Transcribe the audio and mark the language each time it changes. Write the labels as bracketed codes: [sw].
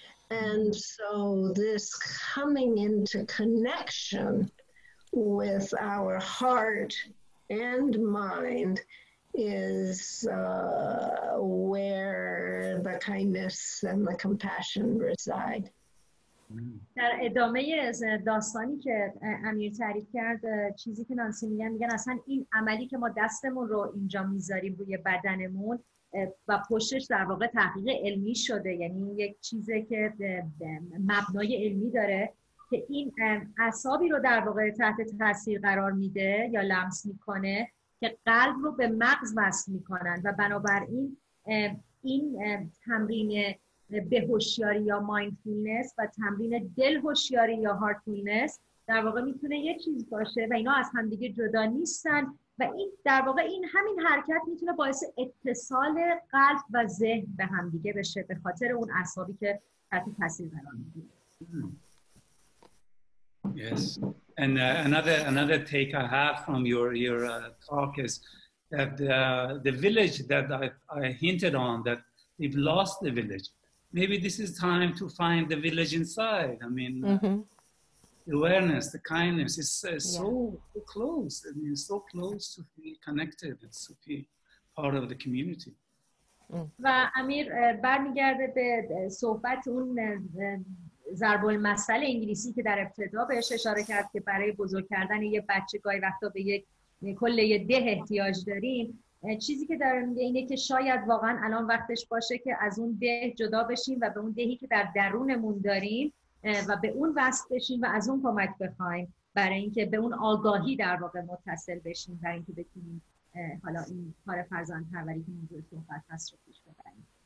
[en] And so this coming into connection with our heart and mind is where the kindness and the compassion reside. [fa] در ادامه داستانی که امیر تعریف کرد، چیزی که نانسی میگن، میگن اصلا این عملی که ما دستمون رو اینجا میذاریم روی بدنمون و پشتش در واقع تحقیق علمی شده، یعنی یک چیزی که مبنای علمی داره که این اعصابی رو در واقع تحت تاثیر قرار میده یا لمس میکنه که قلب رو به مغز وصل میکنن و بنابراین این تمرین به هوشیاری یا مایندفولنس و تمرین دل هوشیاری یا هارتفولنس در واقع میتونه یه چیز باشه و اینا از هم دیگه جدا نیستن و این در واقع این همین حرکت میتونه باعث اتصال قلب و ذهن به هم دیگه بشه به خاطر اون اعصابی که تحت تاثیر قرار میگیره. [en] Yes, and another take I have from your talk is that the village that I hinted on, that we've lost the village. Maybe this is time to find the village inside. I mean, the awareness, the kindness is so close. I mean, so close to be connected and to be part of the community. [fa] و امیر برمیگرده به صحبت اون ضرب المثل انگلیسی که در ابتدا بهش اشاره کرد که برای بزرگ کردن یه بچه گاهی وقتا به یک کل یه ده احتیاج داریم. چیزی که دارم میگه اینه که شاید واقعا الان وقتش باشه که از اون ده جدا بشیم و به اون دهی که در درونمون داریم و به اون وصل بشیم و از اون کمک بخوایم برای اینکه به اون آگاهی در واقع متصل بشیم برای اینکه بتونیم حالا این کار فرزند پروری که موضوع صحبت هست رو پیش ببریم.